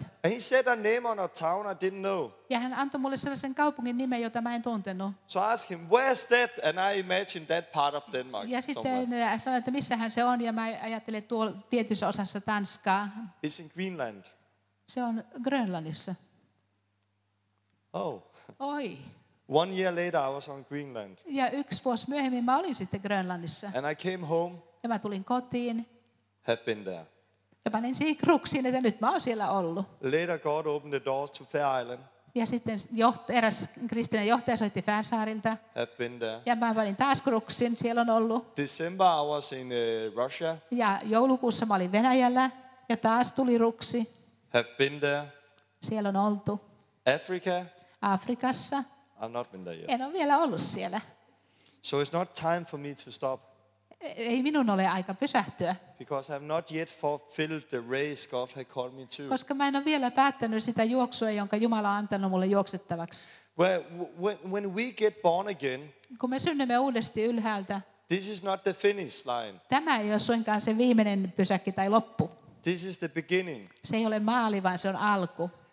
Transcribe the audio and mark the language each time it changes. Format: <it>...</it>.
<en>And he said a name on a town I didn't know.</en> <fi>Ja hän antoi mulle sellaisen kaupungin nimen, jota mä en tuntenut.</fi> <en>So I asked him, where's that? And I imagined that part of Denmark.</en> <fi>Ja sitten sanoin, että missähän se on, ja mä ajattelin, että tuolla tietyssä osassa Tanskaa.</fi> <en>It's in Greenland.</en> <fi>Se on Grönlannissa.</fi> <en>Oh.</en> <fi>Oi.</fi> <en>One year later I was on Greenland.</en> <fi>Ja yksi vuosi myöhemmin mä olin sitten Grönlannissa.</fi> <en>And I came home.</en> <fi>Ja mä tulin kotiin.</fi> <en>Have been there.</en> <fi>Ja panin siihen kruksiin, että nyt mä oon siellä ollut.</fi> <en>Later God opened the doors to Fair Island.</en> <fi>Ja sitten eräs kristillinen johtaja soitti Färsaarilta.</fi> <en>Have been there.</en> <fi>Ja mä panin taas kruksin, siellä on ollut.</fi> <en>December I was in Russia.</en> <fi>Ja joulukuussa mä olin Venäjällä ja taas tuli ruksi.</fi> <en>Have been there.</en> <fi>Siellä on oltu.</fi> <en>Africa.</en> <fi>Afrikassa.</fi> <en>I've not been there yet.</en> <fi>En ole vielä ollut siellä.</fi> <en>So it's not time for me to stop.</en> <fi>Ei minun ole aika pysähtyä.</fi> <en>Because I have not yet fulfilled the race God had called me to.</en> <fi>Koska mä en ole vielä päättänyt sitä juoksua, jonka Jumala on antanut mulle juoksettavaksi.</fi> <en>When we get born again.</en> <fi>Kun me synnymme uudesti ylhäältä.</fi> <en>This is not the finish line.</en> <fi>Tämä ei ole suinkaan se viimeinen pysäkki tai loppu.</fi> <en>This is the beginning.</en> <fi>Se ei ole maali, vaan se on alku.</fi>